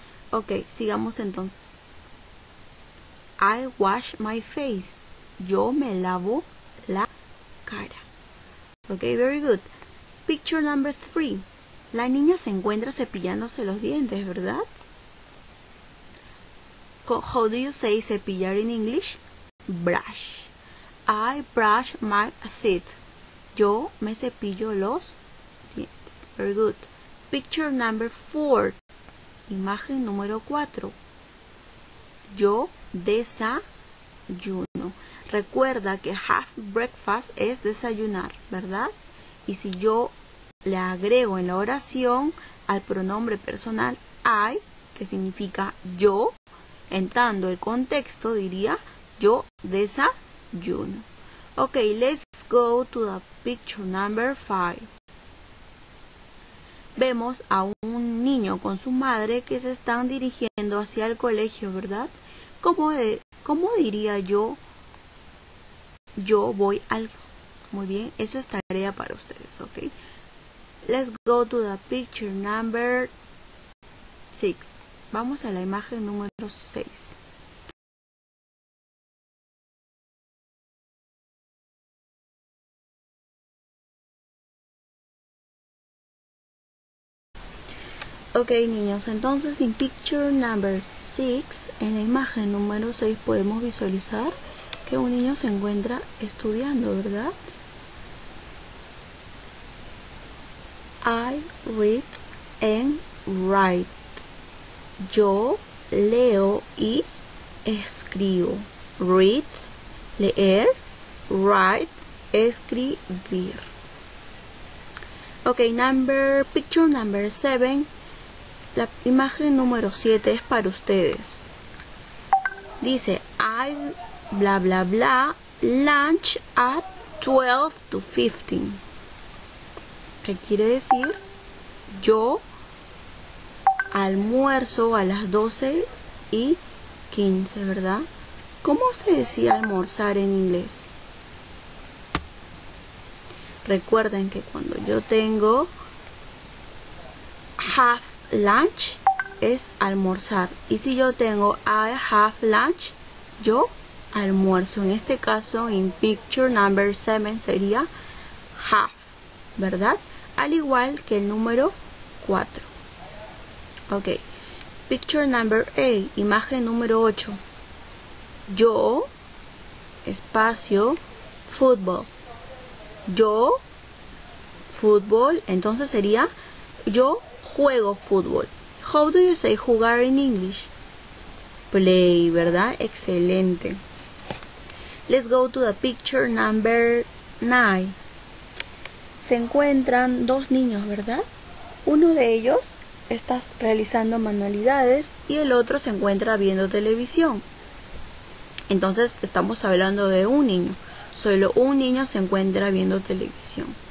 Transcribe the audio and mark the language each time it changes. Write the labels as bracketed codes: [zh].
[en] Ok, [es] sigamos entonces. [en] I wash my face. [es] Yo me lavo la cara. Ok, [en] very good. Picture number 3. [es] La niña se encuentra cepillándose los dientes, ¿verdad? [en] How do you say cepillar in English? Brush. I brush my teeth. [es] Yo me cepillo los dientes. [en] Very good. Picture number 4. [es] Imagen número 4. Yo desayuno. Recuerda que have breakfast es desayunar, ¿verdad? Y si yo le agrego en la oración al pronombre personal I, que significa yo, entrando el contexto diría yo desayuno. [en] Ok, let's go to the picture number 5. [es] Vemos a un niño con su madre que se están dirigiendo hacia el colegio, ¿verdad? ¿Cómo diría yo? Yo voy al... Muy bien, eso es tarea para ustedes, ¿ok? [en] Let's go to the picture number 6. [es] Vamos a la imagen número 6. Ok, niños, entonces en [en] picture number 6, [es] en la imagen número 6 podemos visualizar que un niño se encuentra estudiando, ¿verdad? [en] I read and write. [es] Yo leo y escribo. [en] Read, leer, write, escribir. Ok, picture number 7. [es] La imagen número 7 es para ustedes. [en] Dice, I bla bla bla lunch at 12 to 15. [es] ¿Qué quiere decir? Yo almuerzo a las 12 y 15, ¿verdad? ¿Cómo se decía almorzar en inglés? Recuerden que cuando yo tengo half lunch es almorzar. Y si yo tengo [en] I have lunch, [es] yo almuerzo. En este caso, [en] in picture number 7 [es] sería half, ¿verdad? Al igual que el número 4. Ok. [en] Picture number 8. [es] Imagen número 8. Yo, espacio, fútbol. Yo, fútbol. Entonces sería yo juego fútbol. [en] How do you say jugar in English? Play, ¿verdad? Excelente. Let's go to the picture number 9. [es] Se encuentran dos niños, ¿verdad? Uno de ellos está realizando manualidades y el otro se encuentra viendo televisión. Entonces, estamos hablando de un niño. Solo un niño se encuentra viendo televisión.